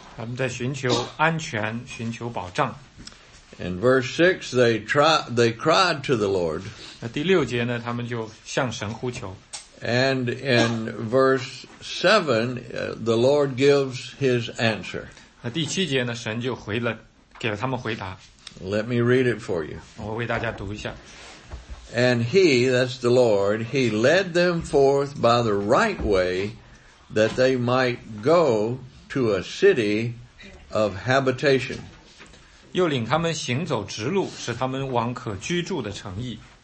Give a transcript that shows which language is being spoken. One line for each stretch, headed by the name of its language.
Chinese: 他们在寻求安全，寻求保障。
English: In verse 6, they cried to the Lord.
Chinese: 那第六节呢，他们就向神呼求。
English: And in verse 7, the Lord gives his answer.
Chinese: 那第七节呢，神就给了他们回答。
English: Let me read it for you.
Chinese: 我为大家读一下。
English: And he, that's the Lord, he led them forth by the right way that they might go to a city of habitation.
Chinese: 又领他们行走直路，使他们往可居住的城邑。